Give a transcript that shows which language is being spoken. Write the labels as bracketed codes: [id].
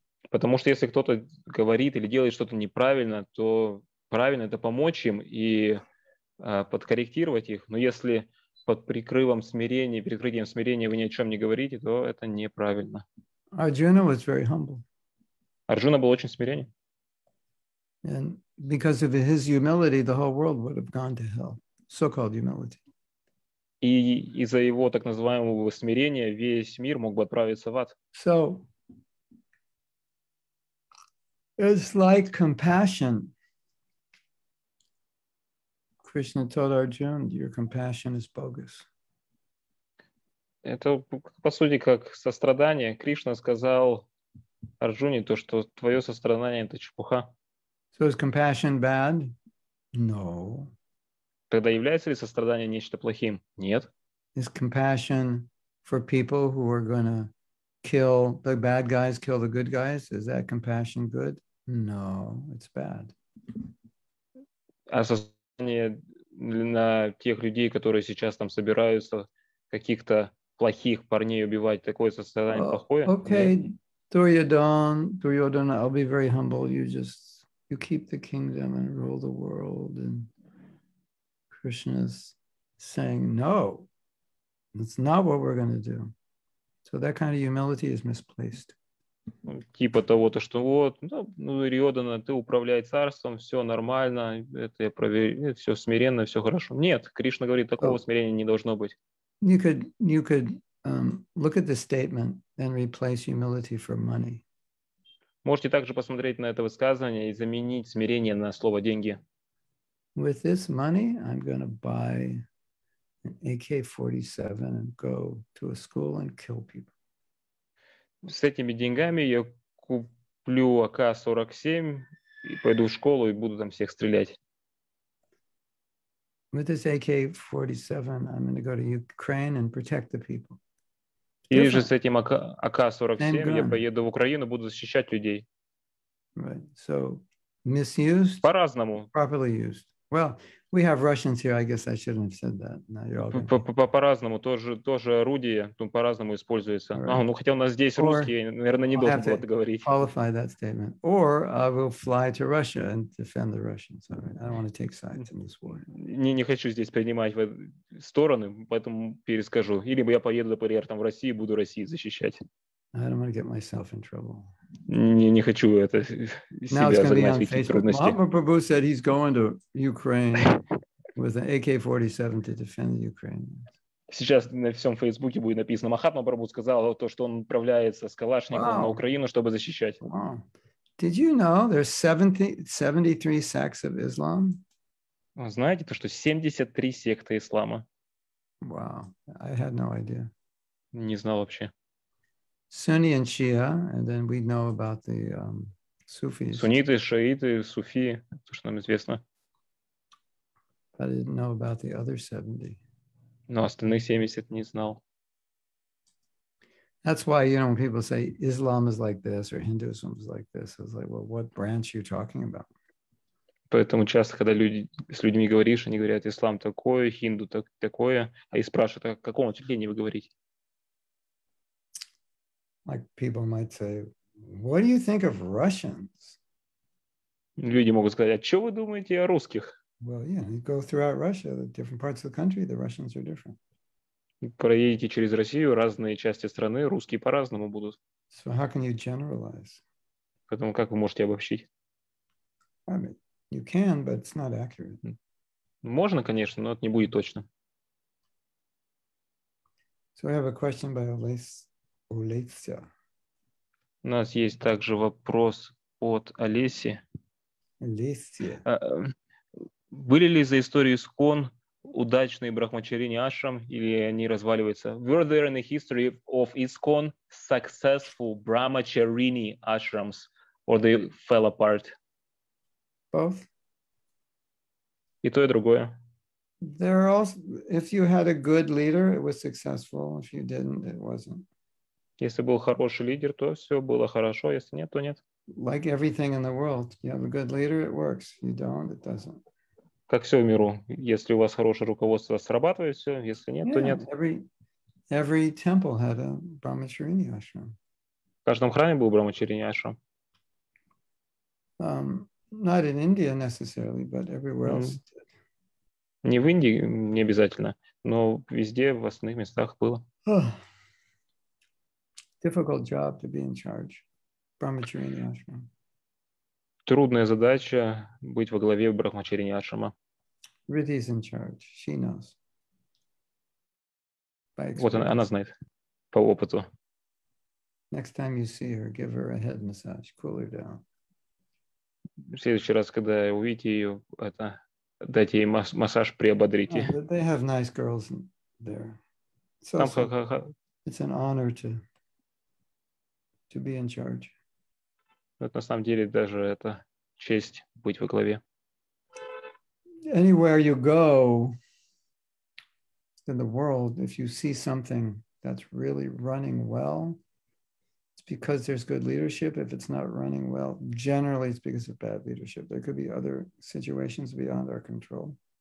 [ru] Потому что если кто-то говорит или делает что-то неправильно, то правильно это помочь им и подкорректировать их. Но если под прикрывом смирения, прикрытием смирения вы ни о чем не говорите, то это неправильно. [en] Arjuna was very humble. [ru] Арджуна был очень смиренен. [en] And because of his humility, the whole world would have gone to hell. So-called humility. [ru] И из-за его так называемого смирения весь мир мог бы отправиться в ад. [en] So, it's like compassion. Krishna told Arjuna, your compassion is bogus. [ru] Это, по сути, как сострадание. Кришна сказал Арджуне то, что твое сострадание – это чепуха. [en] So is compassion bad? No. [ru] Тогда является ли сострадание нечто плохим? Нет. [en] Is compassion for people who are going to kill the bad guys, kill the good guys? Is that compassion good? No, it's bad. [ru] А сострадание на тех людей, которые сейчас там собираются каких-то плохих парней убивать, такое сострадание плохое? [en] Okay, Duryodhana, I'll be very humble. You keep the kingdom and rule the world. And Krishna's saying, no, that's not what we're going to do. So that kind of humility is misplaced. [ru] ну, типа того-то, что вот, ну, Риодана, ты управляй царством, все нормально, это я проверю, все смиренно, все хорошо. Нет, Кришна говорит, такого смирения не должно быть. [en] You could look at the statement and replace humility for money. [ru] Можете также посмотреть на это высказывание и заменить смирение на слово деньги. [en] With this money, I'm going to buy an AK-47 and go to a school and kill people. [ru] С этими деньгами я куплю АК-47 и пойду в школу и буду там всех стрелять. [en] With this AK-47, I'm going to go to Ukraine and protect the people. [ru] Или же с этим АК-47 я поеду в Украину, буду защищать людей. [en] Right. So, misused? [ru] По-разному. [en] Properly used. Well, we have Russians here, I guess I shouldn't have said that. Now you're all [ru] по-разному, тоже орудие, тут по-разному используется. [en] Right. [ru] А, ну, хотя у нас здесь or русские, наверное, не должен был это говорить. [en] Qualify that statement. Or I will fly to Russia and defend the Russians. I mean, I don't want to take sides in this war. [ru] Не хочу здесь принимать стороны, поэтому перескажу. Или я поеду, например, там, в Россию, буду Россию защищать. [en] I don't want to get myself in trouble. [ru] Не хочу это [en] now [ru] себя [en] it's [ru] занимать в эти трудности. [en] Mahatma Prabhu said he's going to Ukraine with an AK-47 to defend Ukraine. [ru] Сейчас на всем Фейсбуке будет написано, Махатма Прабху сказал то, что он отправляется с Калашником на Украину, чтобы защищать. [en] Wow. Did you know there's 73 sects of Islam? [ru] Вы знаете то, что 73 секты ислама? [en] Wow, I had no idea. [ru] Не знал вообще. [en] Sunni and Shia, and then we know about the Sufis. [ru] Сунниты, шииты, суфи, то, что нам известно. [en] I didn't know about the other 70. [ru] Но остальных 70 не знал. [en] That's why, you know, when people say Islam is like this or Hinduism is like this, it's like, well, what branch are you talking about? [ru] Поэтому часто, когда с людьми говоришь, они говорят, ислам такое, хинду такое, а и спрашивают, о каком учреждении вы говорите? [en] Like people might say, what do you think of Russians? [ru] Люди могут сказать, а что вы думаете о русских? [en] Well, yeah, you go throughout Russia, the different parts of the country, the Russians are different. [ru] Проедете через Россию, разные части страны, русские по-разному будут. [en] So how can you generalize? [ru] Поэтому как вы можете обобщить? [en] I mean, you can, but it's not accurate. [ru] Можно, конечно, но это не будет точно. [en] So we have a question by Олеся. [ru] У нас есть также вопрос от Олеси. Олеся. Были ли за историю Искон удачные брахмачарини ашрам или они разваливаются? [en] Were there in the history of Искон successful brahmacharini ashrams or they fell apart? Both. [ru] И то, и другое. [en] There are also, if you had a good leader, it was successful. If you didn't, it wasn't. [ru] Если был хороший лидер, то все было хорошо. Если нет, то нет. [en] Like everything in the world, you have a good leader, it works. If you don't, it doesn't. [ru] Как все в миру. Если у вас хорошее руководство, срабатывает все. Если нет, [en] yeah, [ru] то нет. [en] Every temple had a brahmacharini ashram. [ru] В каждом храме был брахмачарини ашрам. [en] Not in India necessarily, but everywhere else. [ru] Не в Индии, не обязательно. Но везде, в основных местах было. [en] Difficult job to be in charge. Brahmacharini ashram. [ru] Трудная задача быть во главе брахмачарини ашрама. [en] Riddhi is in charge. She knows. By experience. [ru] Вот она знает по опыту. [en] Next time you see her, give her a head massage. Cool her down. [ru] В следующий раз, когда увидите ее, это, дайте ей массаж, приободрите. [en] Oh, they have nice girls there. [ru] So, там, [en] it's an honor to be in charge. [ru] Это на самом деле даже это честь быть во главе. [en] Anywhere you go in the world, if you see something that's really running well, it's because there's good leadership. If it's not running well, generally it's because of bad leadership. There could be other situations beyond our control.